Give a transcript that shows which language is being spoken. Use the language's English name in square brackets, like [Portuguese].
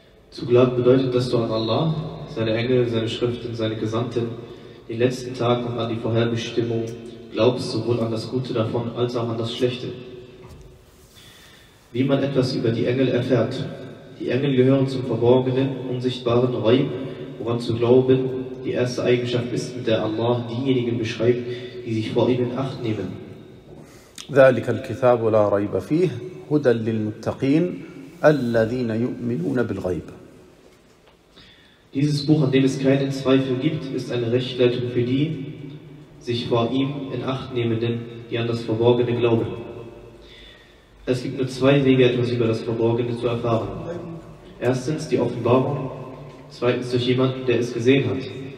[German] Zu glauben bedeutet, dass du an Allah, seine Engel, seine Schriften, seine Gesandten, den letzten Tag und an die Vorherbestimmung glaubst, sowohl an das Gute davon als auch an das Schlechte. Wie man etwas über die Engel erfährt. Die Engel gehören zum verborgenen, unsichtbaren Raib, woran zu glauben die erste Eigenschaft ist, mit der Allah diejenigen beschreibt, die sich vor ihm in Acht nehmen. [Arabic] ذلك الكتاب لا ريب فيه هدى للمتقين الذين يؤمنون بالغيب. [German] Dieses Buch, an dem es keinen Zweifel gibt, ist eine Rechtleitung für die sich vor ihm in Acht nehmenden, die an das Verborgene glauben. Es gibt nur zwei Wege, etwas über das Verborgene zu erfahren. Erstens die Offenbarung, zweitens durch jemanden, der es gesehen hat.